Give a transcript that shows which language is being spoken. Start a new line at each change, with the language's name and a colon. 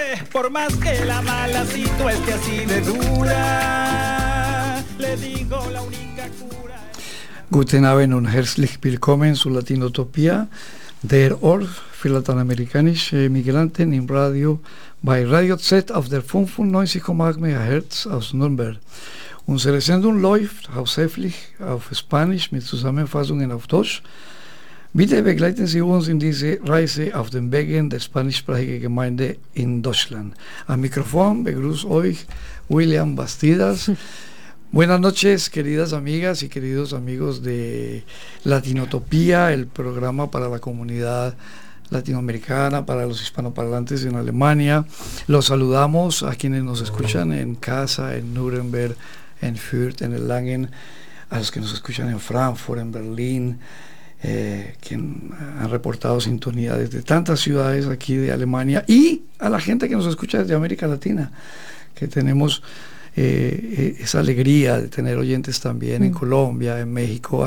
Spanish: Por más que la mala situación esté así de dura, le digo la única.
German: Guten Abend und herzlich willkommen zu Latinotopia, der Ort für lateinamerikanische Migranten im Radio bei Radio Z auf der 95,8 MHz aus Nürnberg. Unsere Sendung läuft hauptsächlich auf Spanisch mit Zusammenfassungen auf Deutsch. Bitte begleiten Sie uns in diese Reise auf den Wegen der spanischsprachigen Gemeinde in Deutschland. Am Mikrofon begrüßt euch William Bastidas.
Spanish: Buenas noches, queridas amigas y queridos amigos de Latinotopía, el programa para la comunidad latinoamericana, para los hispanoparlantes en Alemania. Los saludamos a quienes nos escuchan en casa, en Nuremberg, en Fürth, en Erlangen, a los que nos escuchan en Frankfurt, en Berlín, que han reportado sintonía desde tantas ciudades aquí de Alemania, y a la gente que nos escucha desde América Latina, que tenemos esa alegría de tener oyentes también en Colombia, en México.